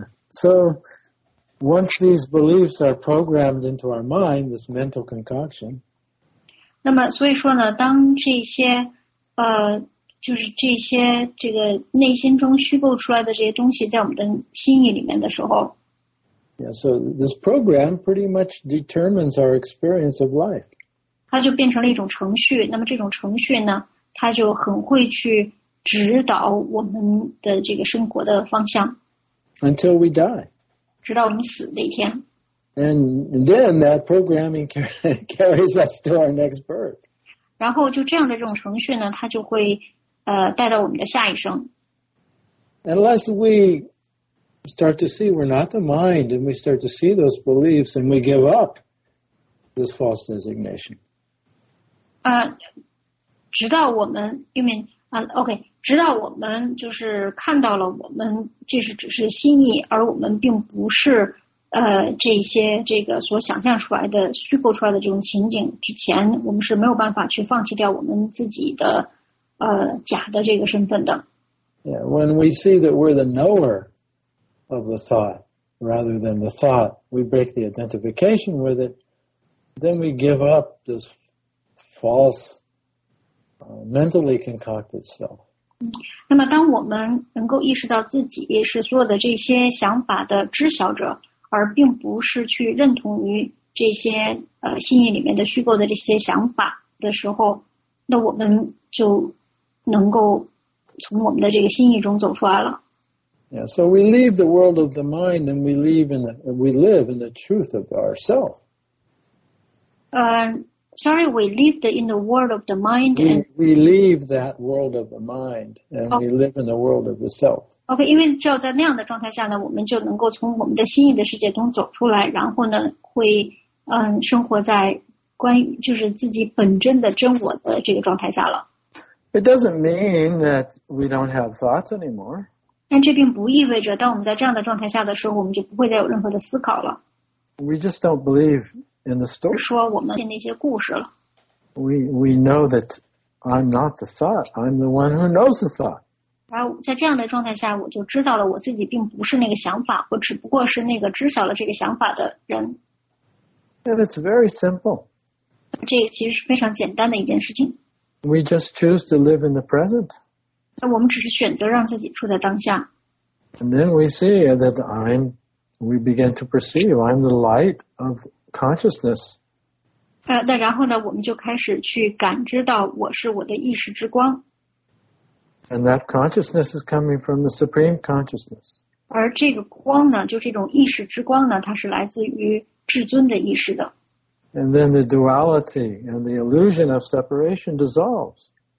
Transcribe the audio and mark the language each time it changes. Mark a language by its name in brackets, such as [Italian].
[English] So, once these beliefs are programmed into our mind, this mental concoction. [Chinese] 那么，所以说呢，当这些就是这些这个内心中虚构出来的这些东西在我们的心意里面的时候 [English] ，Yeah, so this program pretty much determines our experience of life. [Chinese] 它就变成了一种程序，那么这种程序呢，它就很会去指导我们的这个生活的方向。 [English] Until we die. [Chinese] 直到我们死那天。 [English] And then that programming carries us to our next birth. [Chinese] 然后就这样的这种程序呢，它就会带到我们的下一生。 [English] Unless we start to see we're not the mind, and we start to see those beliefs, and we give up this false designation. [Chinese] 直到我们 ， [English] you mean [Chinese] 啊 ？OK， 直到我们就是看到了我们这是只是心意，而我们并不是这些这个所想象出来的虚构出来的这种情景之前，我们是没有办法去放弃掉我们自己的假的这个身份的。 [English] Yeah, when we see that we're the knower of the thought rather than the thought, we break the identification with it. Then we give up this false. Mentally concocted self. [Chinese] 那么当我们能够意识到自己是所有的这些想法的知晓者，而并不是去认同于这些心意里面的虚构的这些想法的时候，那我们就能够从我们的这个心意中走出来了。 [English] Yeah, so we leave the world of the mind and we live in the truth of ourself. Sorry, we live in the world of the mind. We leave that world of the mind, and we live in the world of the self. [Chinese] Okay, 因为只有在那样的状态下呢，我们就能够从我们的心意的世界中走出来，然后呢，会生活在关于就是自己本真的真我的这个状态下了。 [English] It doesn't mean that we don't have thoughts anymore. [Chinese] 但这并不意味着，当我们在这样的状态下的时候，我们就不会再有任何的思考了。 [English] We just don't believe. In the story, [Chinese] 说我们那些故事了。 [English] We know that I'm not the thought. I'm the one who knows the thought. [Chinese] 然后在这样的状态下，我就知道了我自己并不是那个想法，我只不过是那个知晓了这个想法的人。 [English] And it's very simple. [Chinese] 这其实是非常简单的一件事情。 [English] We just choose to live in the present. [Chinese] 那我们只是选择让自己处在当下。 [English] And then we see that we begin to perceive I'm the light of. Consciousness. [Chinese] 那然后呢，我们就开始去感知到我是我的意识之光。 [English] And that consciousness is coming from the supreme consciousness. [Chinese] 而这个光呢，就这种意识之光呢，它是来自于至尊的意识的。 [English] And then the duality and the illusion of separation dissolves.